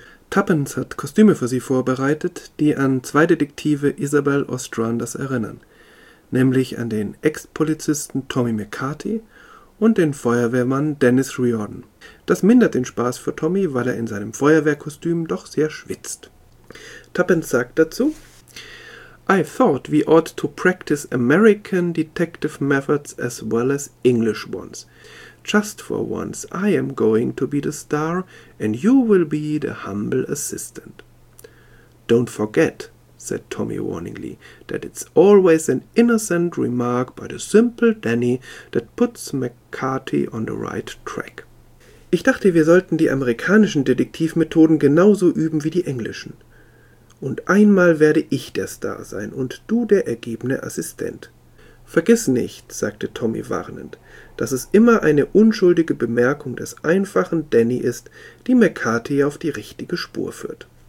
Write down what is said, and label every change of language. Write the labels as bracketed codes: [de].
[de] Tubbins hat Kostüme für sie vorbereitet, die an 2 Detektive Isabel Ostranders erinnern, nämlich an den Ex-Polizisten Tommy McCarthy und den Feuerwehrmann Dennis Riordan. Das mindert den Spaß für Tommy, weil er in seinem Feuerwehrkostüm doch sehr schwitzt. Tubbins sagt dazu: [en] I thought we ought to practice American detective methods as well as English ones. Just for once, I am going to be the star and you will be the humble assistant. Don't forget, said Tommy warningly, that it's always an innocent remark by the simple Danny that puts McCarthy on the right track. [de] Ich dachte, wir sollten die amerikanischen Detektivmethoden genauso üben wie die englischen. Und einmal werde ich der Star sein und du der ergebene Assistent. Vergiss nicht, sagte Tommy warnend, dass es immer eine unschuldige Bemerkung des einfachen Danny ist, die McCarthy auf die richtige Spur führt.